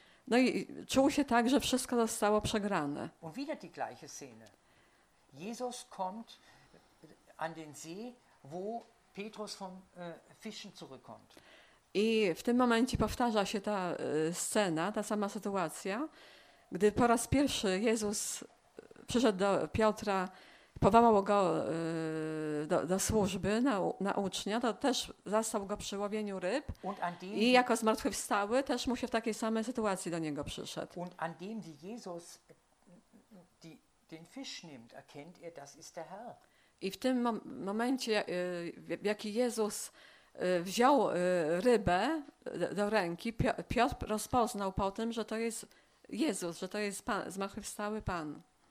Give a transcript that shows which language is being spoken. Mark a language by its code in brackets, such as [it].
[pl] No i czuł się tak, że wszystko zostało przegrane. [de] Und wieder die gleiche Szene. Jesus kommt an den See, wo Petrus vom Fischen zurückkommt. [pl] I w tym momencie powtarza się ta scena, ta sama sytuacja, gdy po raz pierwszy Jezus przyszedł do Piotra, powołał go do służby, na ucznia, to też zastał go przy łowieniu ryb i jako zmartwychwstały też mu się w takiej samej sytuacji do niego przyszedł. [de] Und an dem, wie Jesus den Fisch nimmt, erkennt er, das ist der Herr. [pl] I w tym momencie, w jaki Jezus wziął rybę do ręki, Piotr rozpoznał po tym, że to jest Jezus, że to jest Pan, zmartwychwstały Pan.